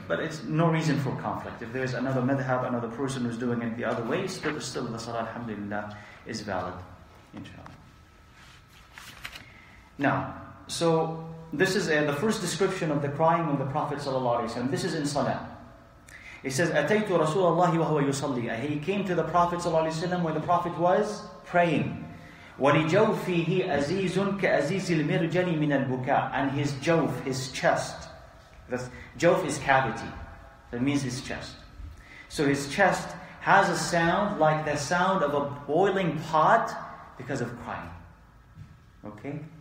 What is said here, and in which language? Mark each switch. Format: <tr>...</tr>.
<en>But it's no reason for conflict. If there is another madhab, another person who's doing it the other way, still the salah Alhamdulillah is valid, inshallah. Now, so this is the first description of the crying of the Prophet ﷺ. This is in Salah. It says,</en> <ar>أَتَيْتُ رَسُولَ اللَّهِ وَهُوَ يُصَلِّي.</ar> <en>He came to the Prophet ﷺ when the Prophet was praying.</en> <ar>وَلِجَوْفِهِ أَزِيزٌ كَأَزِيزِ الْمِرْجَلِ مِنَ الْبُكَاءِ.</ar> <en>And his jawf, his chest. Jawf is cavity. That means his chest. So his chest has a sound like the sound of a boiling pot because of crying. Okay?</en>